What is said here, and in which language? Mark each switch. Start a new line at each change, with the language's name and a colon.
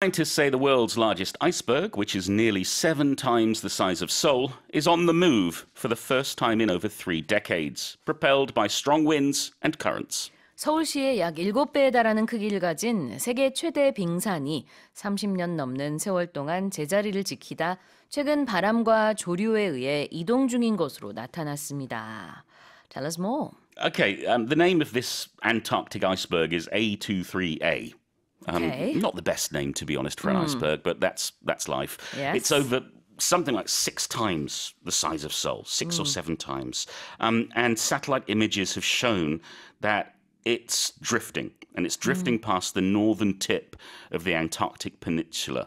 English: Scientists say the world's largest iceberg, which is nearly seven times the size of Seoul, is on the move for the first time in over three decades, propelled by strong winds and currents.
Korean: 서울시의 약 7배에 달하는 크기를 가진 세계 최대 빙산이 30년 넘는 세월 동안 제자리를 지키다 최근 바람과 조류에 의해 이동 중인 것으로 나타났습니다.
English: Tell us more. Okay, the name of this Antarctic iceberg is A23A. Okay. Not the best name, to be honest, for an iceberg, but that's life. Yes. It's over something like six times the size of Seoul, six or seven times. And satellite images have shown that it's drifting, and it's drifting past the northern tip of the Antarctic Peninsula.